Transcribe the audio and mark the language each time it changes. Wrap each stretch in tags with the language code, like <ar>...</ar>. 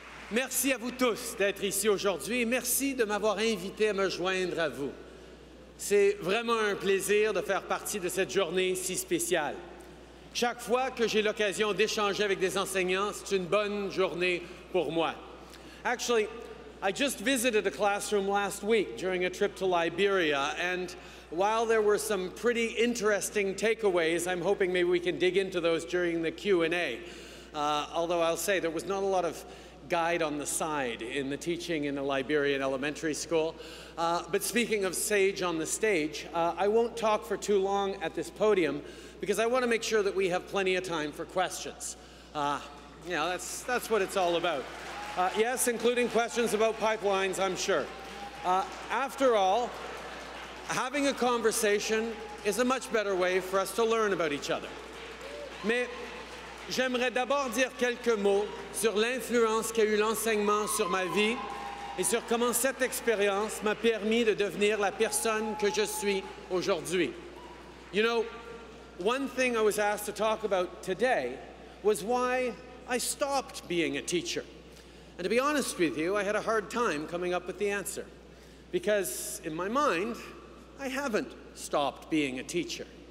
<fr>Merci à vous tous d'être ici aujourd'hui et merci de m'avoir invité à me joindre à vous. C'est vraiment un plaisir de faire partie de cette journée si spéciale. Chaque fois que j'ai l'occasion d'échanger avec des enseignants, c'est une bonne journée pour moi.</fr> <en>Actually, I just visited a classroom last week during a trip to Liberia, and while there were some pretty interesting takeaways, I'm hoping maybe we can dig into those during the Q&A. Although I'll say there was not a lot of guide on the side in the teaching in a Liberian elementary school. But speaking of sage on the stage, I won't talk for too long at this podium because I want to make sure that we have plenty of time for questions. That's what it's all about. Yes, including questions about pipelines, I'm sure. After all, having a conversation is a much better way for us to learn about each other.</en> <fr>Mais j'aimerais d'abord dire quelques mots sur l'influence qu'a eu l'enseignement sur ma vie et sur comment cette expérience m'a permis de devenir la personne que je suis aujourd'hui.</fr> <en>You know, one thing I was asked to talk about today was why I stopped being a teacher. And to be honest with you, I had a hard time coming up with the answer. Because in my mind, I haven't stopped being a teacher.</en>